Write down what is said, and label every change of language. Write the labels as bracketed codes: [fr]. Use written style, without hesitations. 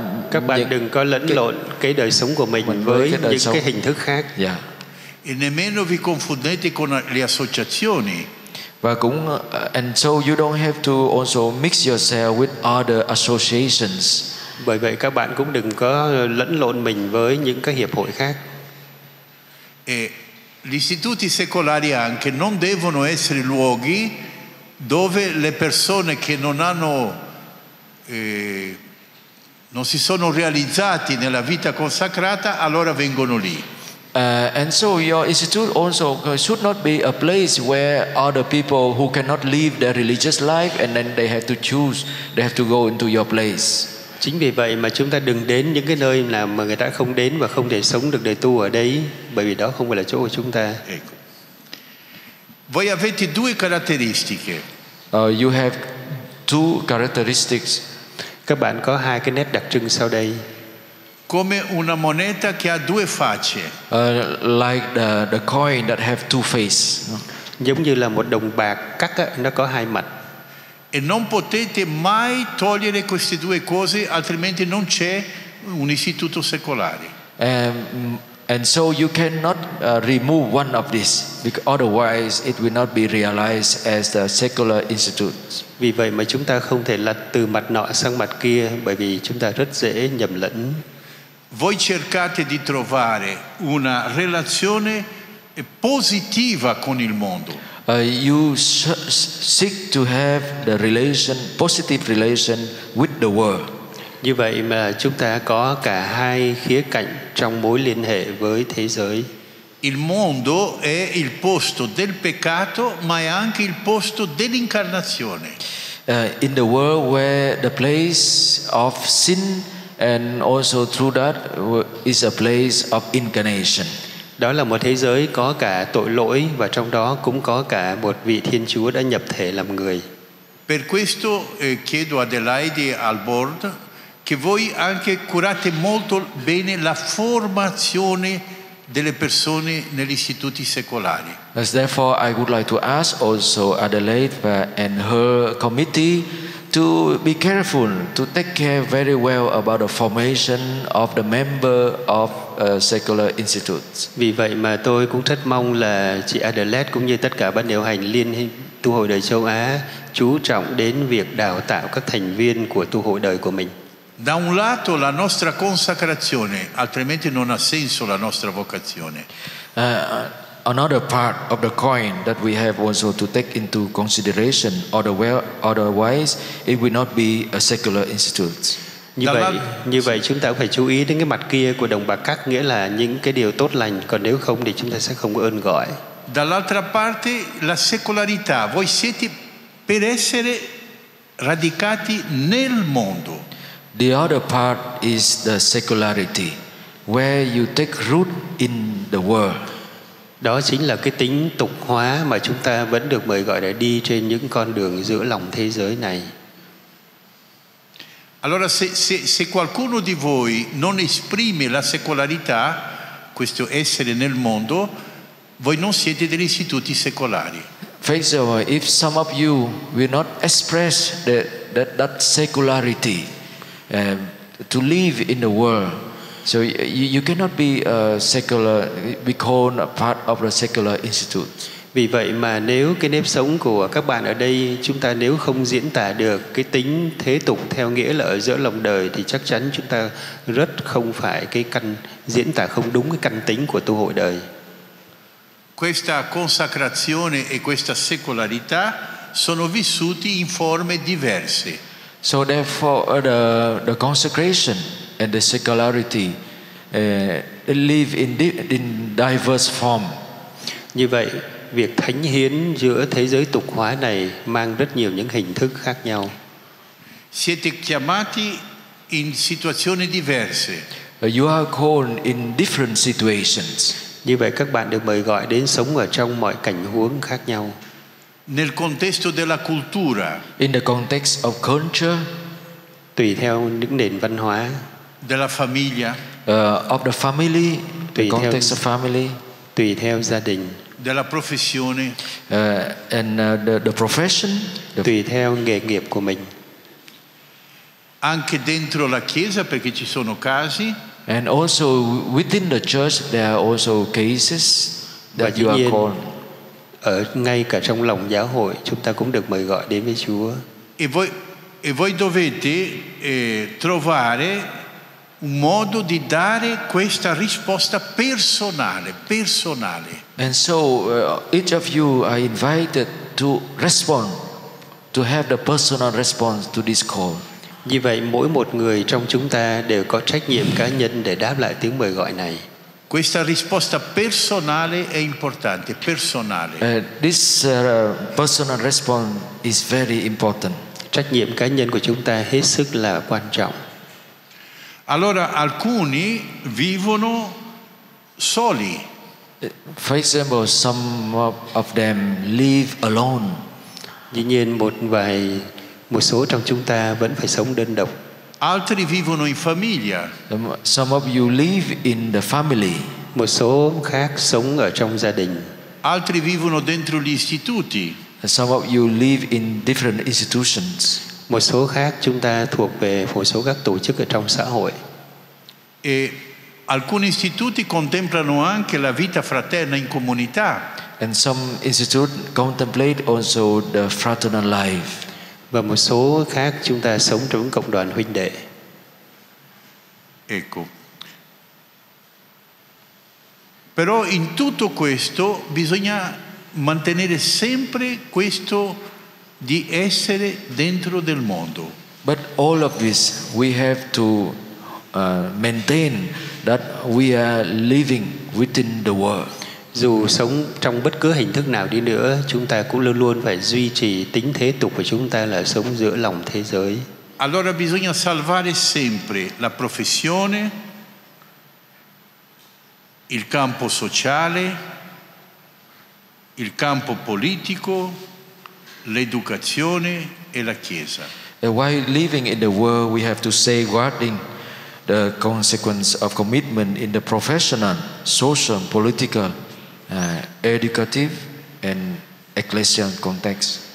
[vi] các bạn đừng có lẫn lộn cái đời sống của mình với những cái hình thức khác. [en] Yeah. [it] E nemmeno vi confondete con le associazioni. [vi] Và cũng [en] and so you don't have to also mix yourself with other associations. [vi] Bởi vậy các bạn cũng đừng có lẫn lộn mình với những cái hiệp hội khác. [it] E gli istituti secolari anche non devono essere luoghi dove le persone che non hanno non si sono realizzati nella vita consacrata, allora vengono lì. [en] And so your institute also should not be a place where other people who cannot live their religious life and then they have to choose, they have to go into your place. [vi] Chính vì vậy mà chúng ta đừng đến những cái nơi nào mà người ta không đến và không thể sống được đời tu ở đấy, bởi vì đó không phải là chỗ của chúng ta. [it] Ecco. Voi avete due caratteristiche. [en] You have two characteristics. [vi] Các bạn có hai cái nét đặc trưng sau đây. [it] Come una moneta che ha due facce. [en] Like the coin that have two faces. [vi] Giống như là một đồng bạc cắt á, nó có hai mặt. [it] E non potete mai togliere queste due cose, altrimenti non c'è un istituto secolare. [en] And so you cannot remove one of this, because otherwise it will not be realized as the secular institute. [vi] Vì vậy mà chúng ta không thể lật từ mặt nọ sang mặt kia, bởi vì chúng ta rất dễ nhầm lẫn. [it] Voi cercate di trovare una relazione positiva con il mondo. [en] You seek to have the relation, positive relation with the world. [vi] Như vậy mà chúng ta có cả hai khía cạnh trong mối liên hệ với thế giới. [it] Il mondo è il posto del peccato, ma è anche il posto dell'incarnazione. [en] In the world where the place of sin and also through that is a place of incarnation. [vi] Đó là một thế giới có cả tội lỗi và trong đó cũng có cả một vị Thiên Chúa đã nhập thể làm người. [it] Per questo chiedo Adelaide al board che voi anche curate molto bene la formazione delle persone negli istituti secolari. [en] Therefore I would like to ask also Adelaide and her committee to be careful to take care very well about the formation of the member of secular institutes. [vi] Vì vậy mà tôi cũng rất mong là chị Adelaide cũng như tất cả ban điều hành Liên Tu Hội Đời Châu Á chú trọng đến việc đào tạo các thành viên của tu hội đời của mình. [it] Da un lato la nostra consacrazione, altrimenti non ha senso la nostra vocazione. [en] Another part of the coin that we have also to take into consideration, otherwise it will not be a secular institute. [vi] Như vậy chúng ta cũng phải chú ý đến cái mặt kia của đồng bạc cắt, nghĩa là những cái điều tốt lành, còn nếu không thì chúng ta sẽ không có ơn gọi. [it] Dall'altra parte la secolarità, voi siete per essere radicati nel mondo. [en] The other part is the secularity, where you take root in the world. [vi] Đó chính là cái tính tục hóa mà chúng ta vẫn được mời gọi để đi trên những con đường giữa lòng thế giới này. [it] Allora se qualcuno di voi non esprime la secolarità, questo essere nel mondo, voi non siete degli istituti secolari. [en] Facebook, if some of you will not express that secularity to live in the world, so you cannot be a secular, be called a part of the secular institute. [vi] Vì vậy mà nếu cái nếp sống của các bạn ở đây, chúng ta nếu không diễn tả được cái tính thế tục theo nghĩa là ở giữa lòng đời, thì chắc chắn chúng ta rất không phải cái căn diễn tả không đúng cái căn tính của tu hội đời. [it] Questa consacrazione e questa secolarità sono vissuti in forme diverse. [en] So therefore the consecration and the secularity live in diverse form. [vi] Như vậy việc thánh hiến giữa thế giới tục hóa này mang rất nhiều những hình thức khác nhau. [it] Siete chiamati in situazioni diverse. [en] You are called in different situations. [vi] Như vậy các bạn được mời gọi đến sống ở trong mọi cảnh huống khác nhau. [it] Nel contesto della cultura. [en] In the context of culture. [vi] Tùy theo những nền văn hóa. [it] Della famiglia. [en] Of the family. [vi] Tùy [en] the context [vi] theo, [en] of family. [vi] Tùy theo gia đình. [it] Della professione. [en] And the profession. [vi] Tùy theo nghề nghiệp của mình. [it] Anche dentro la chiesa, perché ci sono casi. [en] And also within the church there are also cases that you are called. [vi] Ở ngay cả trong lòng giáo hội chúng ta cũng được mời gọi đến với Chúa. [it] E voi E voi dovete trovare un modo di dare questa risposta personale, personale. [en] And so each of you are invited to respond, to have the personal response to this call. [vi] Như vậy mỗi một người trong chúng ta đều có trách nhiệm cá nhân để đáp lại tiếng mời gọi này. [it] Questa risposta personale è importante, personale. [en] This personal response is very important. [vi] Trách nhiệm cá nhân của chúng ta hết sức là quan trọng. [it] Allora alcuni vivono soli. [en] For example, some of them live alone. [vi] Dĩ nhiên một số trong chúng ta vẫn phải sống đơn độc. [it] Altri vivono in famiglia. [en] Some of you live in the family. [vi] Một số khác sống ở trong gia đình. [it] Altri vivono dentro gli istituti. [en] Some of you live in different institutions. [vi] Một số khác chúng ta thuộc về một số các tổ chức ở trong xã hội. [it] E alcuni istituti contemplano anche la vita fraterna in comunità. [en] And some institutes contemplate also the fraternal life. [vi] Và một số khác chúng ta sống trong cộng đoàn huynh đệ. [it] Ecco. Però in tutto questo bisogna mantenere sempre questo di essere dentro del mondo. [en] But all of this we have to maintain that we are living within the world. [vi] Dù sống trong bất cứ hình thức nào đi nữa, chúng ta cũng luôn luôn phải duy trì tính thế tục của chúng ta là sống giữa lòng thế giới. [it] Allora bisogna salvare sempre la professione, il campo sociale, il campo politico, l'educazione e la chiesa. [en] And while living in the world, we have to safeguard the consequence of commitment in the professional, social, political, educative and ecclesial context.